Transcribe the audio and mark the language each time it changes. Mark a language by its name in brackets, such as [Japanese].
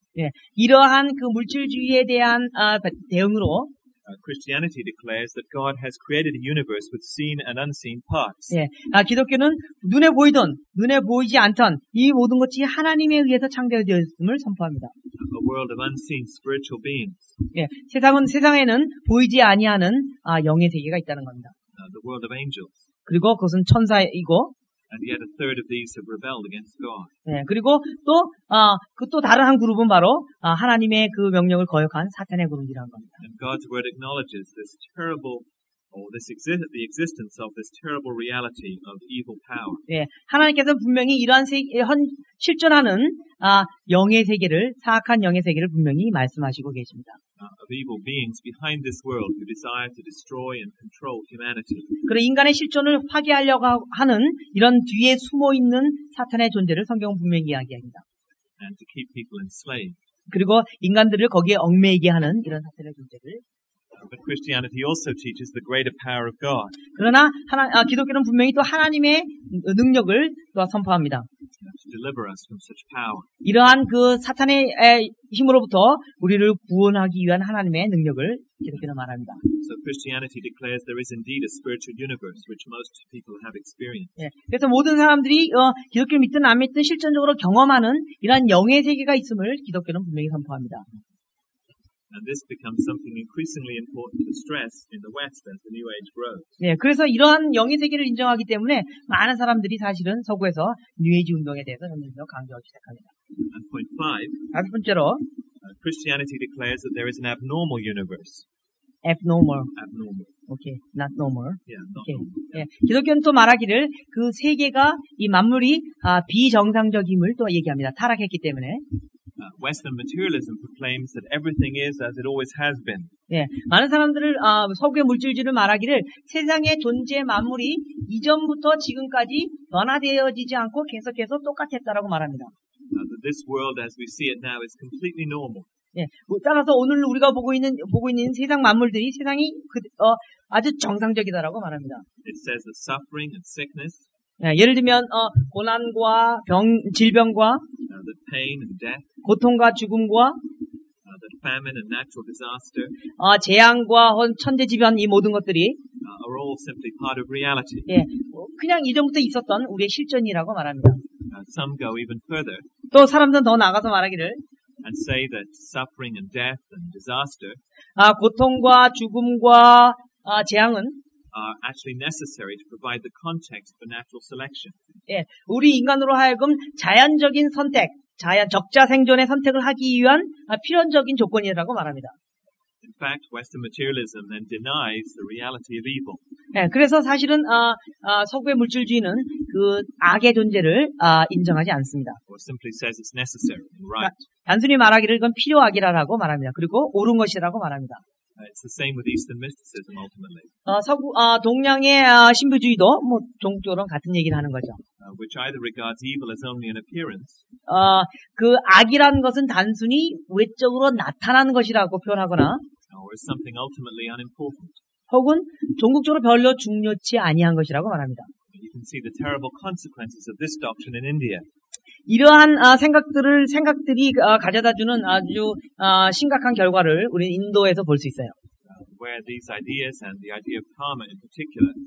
[Korean] 예, 이러한 그 물질주의에 대한 대응으로. [English] Christianity declares that God has created a universe with seen and unseen parts. [Korean] 예, 기독교는 눈에 보이던, 눈에 보이지 않던 이 모든 것이 하나님에 의해서 창조되었음을 선포합니다. [English] A world of unseen spiritual beings. [Korean] 예, 세상에는 보이지 아니하는 영의 세계가 있다는 겁니다. [English] the world of angels. [Korean] 그리고 그것은 천사이고. [English] And yet a third of these have rebelled against God. [Korean] 네, 그리고 또 그 또 다른 한 그룹은 바로 하나님의 그 명령을 거역한 사탄의 그룹이라는 겁니다. [English] And God's word acknowledges this terrible the existence of this terrible reality of evil power. [Korean] 예, 하나님께서 분명히 이러한 실존하는 영의 세계를 사악한 영의 세계를 분명히 말씀하시고 계십니다. [English] Of evil beings behind this world who desire to destroy and control humanity. [Korean] 그래 인간의 실존을 파괴하려고 하는 이런 뒤에 숨어 있는 사탄의 존재를 성경은 분명히 이야기합니다. [English] And to keep people enslaved. [Korean] 그리고 인간들을 거기에 얽매이게 하는 이런 사탄의 존재를. [English] But Christianity also teaches the greater power of God. [Korean] 그러나 기독교는 분명히 또 하나님의 능력을 또 선포합니다. [English] To deliver us from such power. [Korean] 이러한 그 사탄의 힘으로부터 우리를 구원하기 위한 하나님의 능력을 기독교는 말합니다. [English] So Christianity declares there is indeed a spiritual universe which most people have experienced. [Korean] 예, 그래서 모든 사람들이 기독교를 믿든 안 믿든 실전적으로 경험하는 이러한 영의 세계가 있음을 기독교는 분명히 선포합니다. [English] And this becomes something increasingly important to stress in the West as the New Age grows. [Korean] 네, 그래서 이러한 영의 세계를 인정하기 때문에 많은 사람들이 사실은 서구에서 뉴에이지 운동에 대해서 점점 더 강조하기 시작합니다. [English] And point five. [Korean] 다섯 번째로, [English] Christianity declares that there is an abnormal universe. Abnormal. Abnormal. Okay, not normal. Yeah, not okay. normal. [Korean] 네, 기독교는 또 말하기를 그 세계가 이 만물이 비정상적임을 또 얘기합니다. 타락했기 때문에. [English] Western materialism proclaims that everything is as it always has been. [Korean] 예, 많은 사람들을 서구의 물질주의는 말하기를 세상의 존재 만물이 이전부터 지금까지 변화되어지지 않고 계속해서 똑같았다라고 말합니다. [English] This world as we see it now is completely normal. [Korean] 예, 따라서 오늘 우리가 보고 있는 세상 만물들이 세상이 아주 정상적이다라고 말합니다. [English] It says that suffering and sickness. [Korean] 예, 예를 들면 고난과 질병과 [English] the pain and death, [Korean] 고통과 죽음과 [English] the famine and natural disaster, [Korean] 재앙과 천재지변 이 모든 것들이 [English] are all simply part of reality. [Korean] 예, 그냥 이전부터 있었던 우리의 실존이라고 말합니다. [English] Some go even further, [Korean] 또 사람들은 더 나가서 말하기를 [English] and say that suffering and death and disaster, [Korean] 고통과 죽음과 재앙은 [English] are actually necessary to provide the context for natural selection. [Korean] 예, 우리 인간으로 하여금 자연적인 선택, 적자 생존의 선택을 하기 위한 필연적인 조건이라고 말합니다. [English] In fact, Western materialism then denies the reality of evil. [Korean] 예, 그래서 사실은 서구의 물질주의는 그 악의 존재를 인정하지 않습니다. [English] Or simply says it's necessary, right? [Korean] 단순히 말하기를 이건 필요악이라고 말합니다. 그리고 옳은 것이라고 말합니다. [English] It's the same with Eastern mysticism, ultimately. [Korean] 동양의 신비주의도 뭐 종교론 같은 얘기를 하는 거죠. [English] Which either regards evil as only an appearance. [Korean] 그 악이라는 것은 단순히 외적으로 나타나는 것이라고 표현하거나. [English] Or is something ultimately unimportant. [Korean] 혹은 종국적으로 별로 중요치 아니한 것이라고 말합니다. [English] You can see the terrible consequences of this doctrine in India. [Korean] 이러한 생각들이 가져다주는 아주 심각한 결과를 우리는 인도에서 볼 수 있어요. [English] Where these ideas and the idea of karma in particular.